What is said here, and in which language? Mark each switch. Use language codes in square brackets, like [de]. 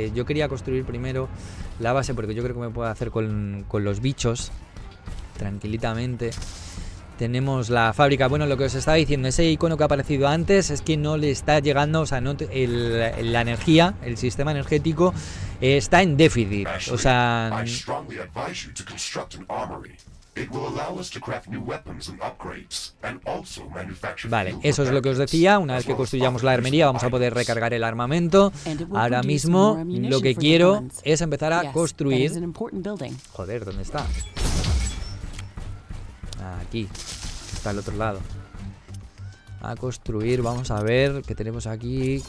[es] Yo quería construir primero la base porque yo creo que me puedo hacer con los bichos tranquilitamente. Tenemos la fábrica. Bueno, lo que os estaba diciendo, ese icono que ha aparecido antes es que no le está llegando, o sea, no la energía, el sistema energético está en déficit. O sea, [en] I strongly advise you to construct an armory. It will allow us to craft new weapons and upgrades and also manufacture. [es] Vale, eso es lo que os decía. Una vez que construyamos la armería, vamos a poder recargar el armamento. Ahora mismo lo que quiero es empezar a construir. Joder, ¿dónde está? Aquí, está al otro lado. A construir, vamos a ver qué tenemos aquí.